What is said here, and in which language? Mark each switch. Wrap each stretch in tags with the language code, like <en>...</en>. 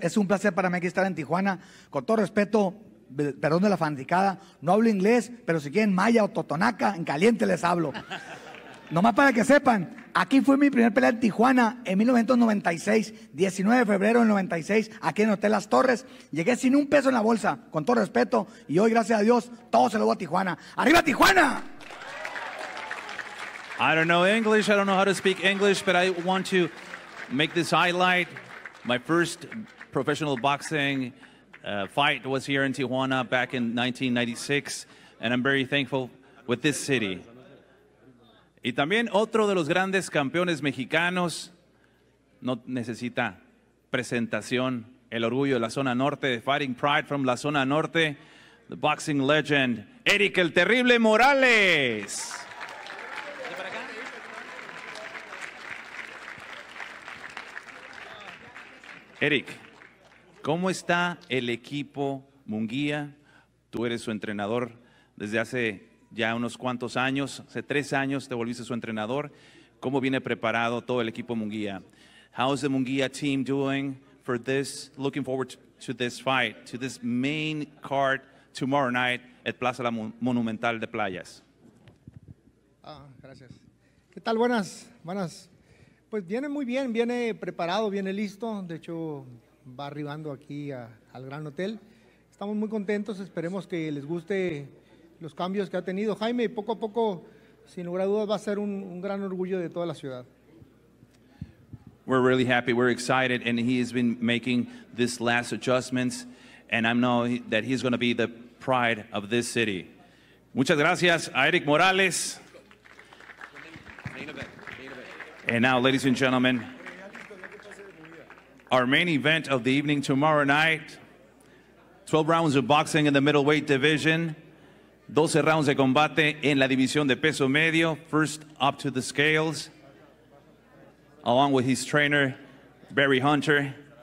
<es>Es un placer para mí aquí estar en Tijuana. Con todo respeto, perdón de la fanaticada, no hablo inglés, pero si quieren maya o totonaca, en caliente les hablo. Nomás para que sepan, aquí fue mi primer pelea en Tijuana en 1996, 19 de febrero del 96, aquí en el Hotel Las Torres. Llegué sin un peso en la bolsa, con todo respeto, y hoy, gracias a Dios, todo se lo voy a Tijuana. ¡Arriba, Tijuana!</es> <en>I don't know English, I don't know how to speak English, but I want to make this highlight. My first professional boxing fight was here in Tijuana back in 1996, and I'm very thankful with this city.</en> <es>Y también otro de los grandes campeones mexicanos, no necesita presentación, el orgullo de la zona norte,</es> <en>the fighting pride from</en> <es>la zona norte,</es> <en>the boxing legend,</en> <es>Eric el Terrible Morales. Eric, ¿cómo está el equipo Munguía? Tú eres su entrenador desde hace ya unos cuantos años, hace 3 años te volviste su entrenador. ¿Cómo viene preparado todo el equipo Munguía?</es> <en>How is the Munguía team doing for this, looking forward to this fight, to this main card tomorrow night at Plaza La Monumental de Playas?</en> <es>Ah, gracias. ¿Qué tal? Buenas, buenas. Pues viene muy bien, viene preparado, viene listo. De hecho, va arribando aquí al Gran Hotel. Estamos muy contentos, esperemos que les guste los cambios que ha tenido Jaime. Poco a poco, sin lugar a dudas, va a ser un gran orgullo de toda la ciudad.</es> <en>We're really happy, we're excited, and he has been making these last adjustments, and I know that he's going to be the pride of this city.</en> <es>Muchas gracias a Eric Morales.</es> <en>And now, ladies and gentlemen, our main event of the evening tomorrow night, 12 rounds of boxing in the middleweight division, 12 rounds</en> <es>de combate en la división de peso medio,</es> <en>first up to the scales, along with his trainer, Barry Hunter.</en>